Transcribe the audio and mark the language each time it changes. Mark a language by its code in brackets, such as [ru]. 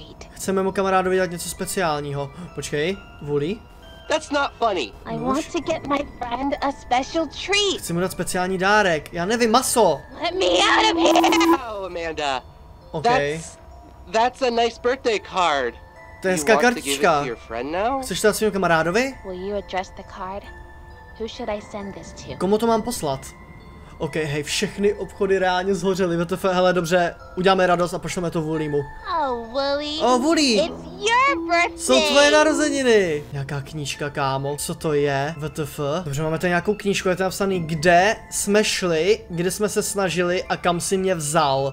[cs] Chceme mu kamarádovi dělat něco speciálního. Počkej, Woody. [en] That's not funny. I want to get my friend a special treat. [cs] Chci mu dát speciální dárek. Já nevím, maso. [en] Let me out of here. Oh, Amanda. Okay. That's a nice birthday card. [cs] To je hezká kartička. Chceš to dát svým kamarádovi? [en] Will you address the card? Who should I send this to? [cs] Komu to mám poslat? Ok, hej, všechny obchody reálně zhořely, VTF, hele, dobře, uděláme radost a pošleme to Woolymu. [en] Oh, Wooly! [cs] Oh, Wooly! Jsou tvoje narozeniny! Nějaká knížka, kámo, co to je? VTF? Dobře, máme tady nějakou knížku, je tam napsaný, kde jsme šli, kde jsme se snažili a kam si mě vzal.